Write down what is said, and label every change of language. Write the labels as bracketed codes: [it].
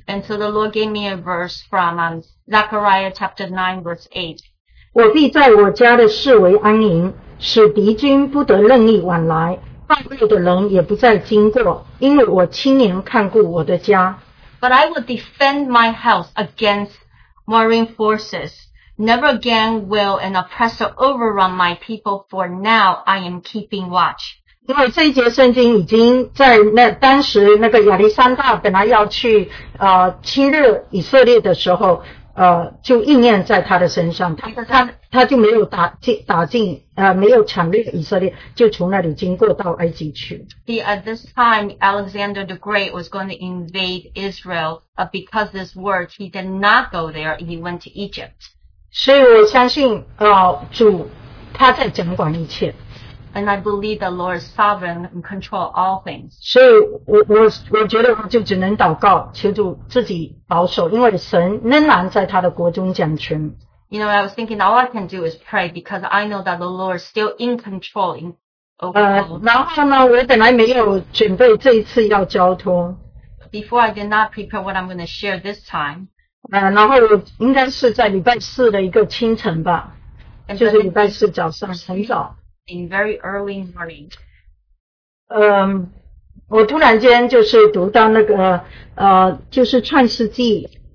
[en] And so the Lord gave me a verse from Zechariah chapter 9 verse 8. [zh] 我必在我家的室为安宁，使敌军不得任意往来，犯罪的人也不再经过，因为我亲眼看顾我的家。 [en] But I will defend my house against warring forces. Never again will an oppressor overrun my people, for now I am keeping watch. [zh] 因为这一节圣经已经在那当时那个亚历山大本来要去侵略以色列的时候就应验在他的身上他就没有打进没有抢掠以色列就从那里经过到埃及去 [en] At this time Alexander the Great was going to invade Israel but because this word he did not go there he went to Egypt [zh] 所以我相信主他在掌管一切 [en] And I believe the Lord is sovereign and control all things. [zh] 所以我觉得我就只能祷告, 求主自己保守, 因为神仍然在他的国中掌权。 [en] You know, I was thinking all I can do is pray because I know that the Lord is still in control. In, Before I did not prepare what I'm going to share this time. [zh] 然后应该是在礼拜四的一个清晨吧, 就是礼拜四早上很早。 [en] In very early morning. [zh] 我突然间就是读到那个, 就是创世纪。